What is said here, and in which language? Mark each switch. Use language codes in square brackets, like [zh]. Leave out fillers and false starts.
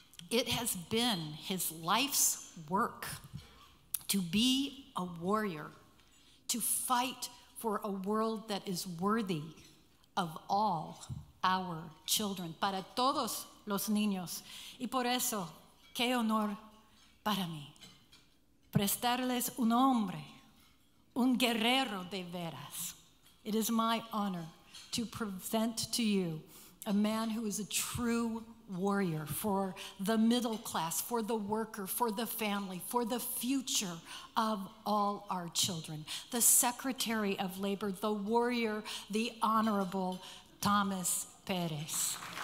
[en] It has been his life's work to be a warrior, to fight for a world that is worthy of all our children, [es] para todos los niños. Y por eso, qué honor para mí prestarles un hombre, un guerrero de veras. [en] It is my honor to present to you a man who is a true warrior for the middle class, for the worker, for the family, for the future of all our children. The Secretary of Labor, the warrior, the Honorable Thomas Perez.